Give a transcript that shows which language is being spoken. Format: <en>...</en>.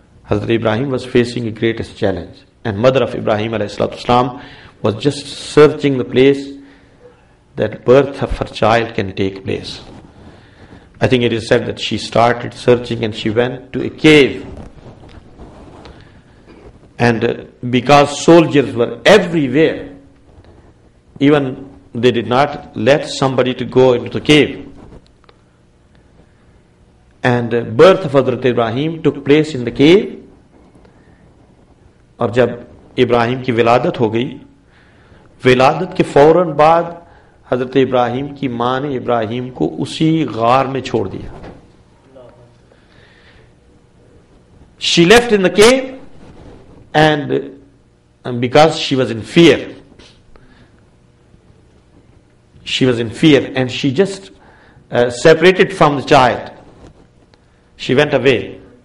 <en>حضرت Ibrahim was facing a greatest challenge, and mother of Ibrahim علیہ الصلوۃ والسلام was just searching the place that birth of her child can take place. I think it is said that she started searching and she went to a queue. And because soldiers were everywhere, even they did not let somebody to go into the cave. And birth of Hazrat Ibrahim took place in the cave.</en> <ur>اور جب ابراہیم کی ولادت ہو گئی, ولادت کے فوراً بعد حضرت ابراہیم کی ماں نے ابراہیم کو اسی غار میں چھوڑ دیا.</ur> <en>She left in the cave. And because she was in fear, and she just separated from the child. She went away.</en>